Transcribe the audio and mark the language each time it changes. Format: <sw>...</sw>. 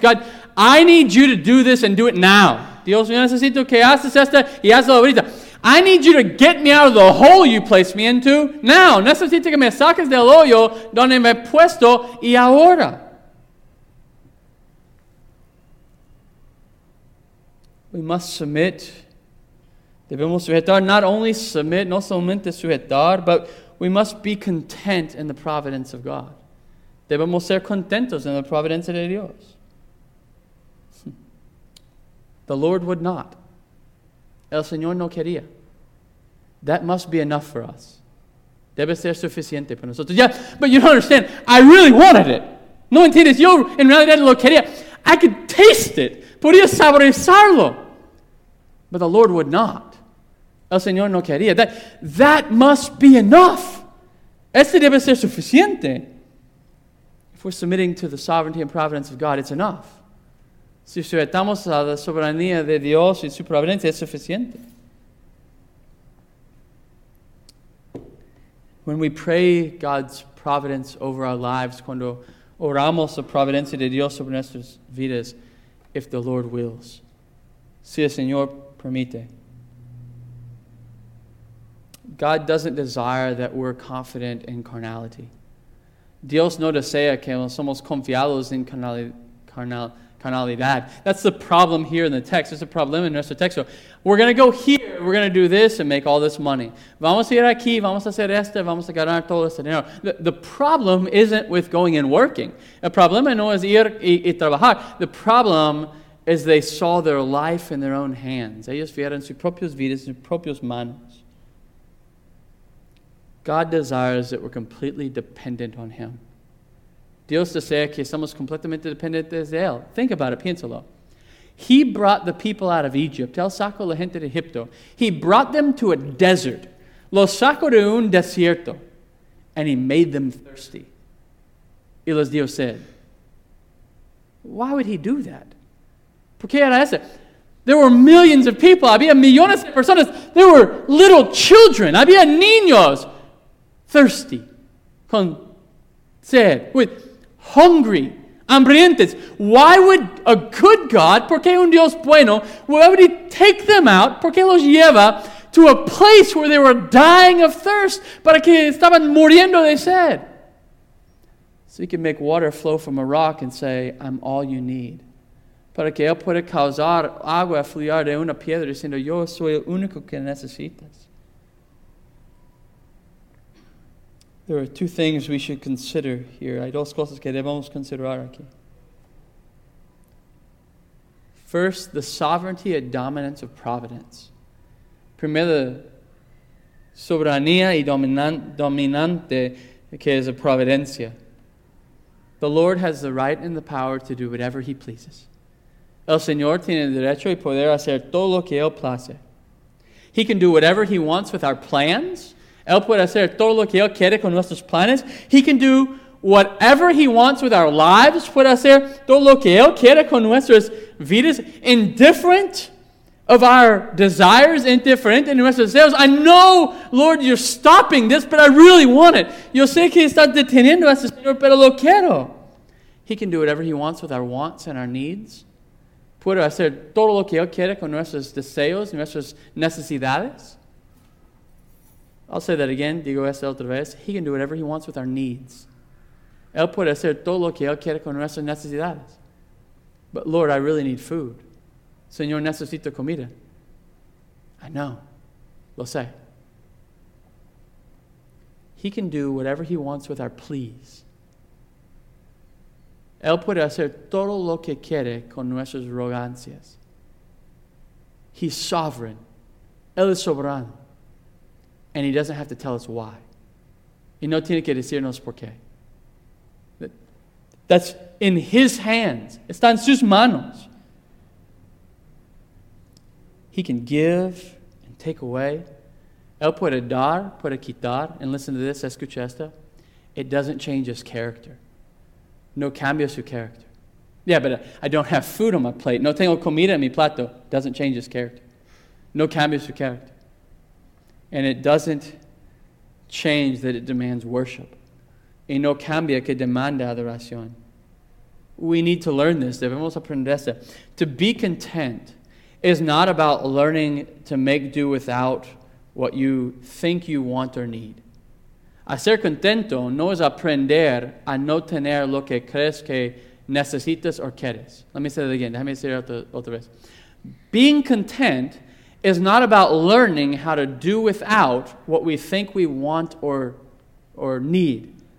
<en>God, I need you to do this and do it now.</en> <es>Dios, yo necesito que haces esto y hazlo ahorita.</es> <en>I need you to get me out of the hole you placed me into now.</en> <es>Necesito que me saques del hoyo donde me he puesto y ahora.</es> <en>We must submit.</en> <es>Debemos sujetar.</es> <en>Not only submit,</en> <es>no solamente sujetar,</es> <en>but we must be content in the providence of God.</en> <es>Debemos ser contentos en la providencia de Dios.</es> <en>The Lord would not.</en> <es>El Señor no quería.</es> <en>That must be enough for us.</en> <es>Debe ser suficiente para nosotros.</es> <en>Yeah, but you don't understand. I really wanted it.</en> <es>No entiendes. Yo en realidad lo quería.</es> <en>I could taste it.</en> <es>Podía saborizarlo.</es> <en>But the Lord would not.</en> <es>El Señor no quería.</es> <en>That must be enough.</en> <es>Este debe ser suficiente.</es> <en>If we're submitting to the sovereignty and providence of God, it's enough.</en> <es>Si sujetamos a la soberanía de Dios y su providencia, es suficiente.</es> <en>When we pray God's providence over our lives,</en> <es>cuando oramos la providencia de Dios sobre nuestras vidas,</es> <en>if the Lord wills,</en> <es>si el Señor permite.</es> <en>God doesn't desire that we're confident in carnality.</en> <es>Dios no desea que somos confiados en carnalidad.</es> <en>That's the problem here in the text. It's a problem in</en> <es>nuestro texto.</es> <en>We're going to go here. We're going to do this and make all this money.</en> <es>Vamos a ir aquí. Vamos a hacer esto. Vamos a ganar todo este dinero.</es> <en>The problem isn't with going and working.</en> <es>El problema no es ir y trabajar.</es> <en>The problem is they saw their life in their own hands.</en> <es>Ellos vieron sus propias vidas, sus propias manos.</es> <en>God desires that we're completely dependent on Him.</en> <es>Dios desea que somos completamente dependientes de Él.</es> <en>Think about it,</en> <es>piénsalo.</es> <en>He brought the people out of Egypt.</en> <es>Él sacó la gente de Egipto.</es> <en>He brought them to a desert.</en> <es>Los sacó de un desierto.</es> <en>And He made them thirsty.</en> <es>Y les dio sed.</es> <en>Why would He do that?</en> <es>¿Por qué era eso?</es> <en>There were millions of people.</en> <es>Había millones de personas.</es> <en>There were little children.</en> <es>Había niños.</es> <en>Thirsty.</en> <es>Con sed.</es> <en>With hungry,</en> <es>hambrientes.</es> <en>Why would a good God,</en> <es>porque un Dios bueno,</es> <en>why would He take them out,</en> <es>porque los lleva,</es> <en>to a place where they were dying of thirst,</en> <es>para que estaban muriendo de sed?</es> <en>So He can make water flow from a rock and say, I'm all you need.</en> <es>Para que Él pueda causar agua fluir de una piedra, diciendo, yo soy el único que necesitas.</es> <en>There are two things we should consider here.</en> <es>Hay dos cosas que debemos considerar aquí.</es> <en>First, the sovereignty and dominance of providence.</en> <es>Primero, soberanía y dominante que es la providencia.</es> <en>The Lord has the right and the power to do whatever He pleases.</en> <es>El Señor tiene el derecho y poder hacer todo lo que Él place.</es> <en>He can do whatever He wants with our plans.</en> <es>Él puede hacer todo lo que Él quiere con nuestros planes.</es> <en>He can do whatever He wants with our lives.</en> <es>Puede hacer todo lo que Él quiere con nuestras vidas.</es> <en>Indifferent of our desires,</en> <es>indifferent in nuestros deseos.</es> <en>I know, Lord, You're stopping this, but I really want it.</en> <es>Yo sé que estás deteniendo esto, Señor, pero lo quiero.</es> <en>He can do whatever He wants with our wants and our needs.</en> <es>Puede hacer todo lo que Él quiere con nuestros deseos, nuestras necesidades.</es> <en>I'll say that again.</en> <es>Digo esto otra vez.</es> <en>He can do whatever He wants with our needs.</en> <es>Él puede hacer todo lo que Él quiere con nuestras necesidades.</es> <en>But Lord, I really need food.</en> <es>Señor, necesito comida.</es> <en>I know.</en> <es>Lo sé.</es> <en>He can do whatever He wants with our pleas.</en> <es>Él puede hacer todo lo que quiere con nuestras rogancias.</es> <en>He's sovereign.</en> <es>Él es soberano.</es> <en>And He doesn't have to tell us why.</en> <es>Y no tiene que decirnos por qué.</es> <en>That's in His hands.</en> <es>Está en sus manos.</es> <en>He can give and take away.</en> <es>Él puede dar, puede quitar.</es> <en>And listen to this,</en> <es>escucha esto.</es> <en>It doesn't change His character.</en> <es>No cambia su character.</es> <en>Yeah, but I don't have food on my plate.</en> <es>No tengo comida en mi plato.</es> <en>Doesn't change His character.</en> <es>No cambia su character.</es> <en>And it doesn't change that it demands worship.</en> <es>Y no cambia que demanda adoración.</es> <en>We need to learn this.</en> <es>Debemos aprender esto.</es> <en>To be content is not about learning to make do without what you think you want or need.</en> <es>Hacer contento no es aprender a no tener lo que crees que necesitas o quieres.</es> <en>Let me say that again.</en> <es>Déjame decir otra vez.</es> <en>Being content is not about learning how to do without what we think we want or need.</en>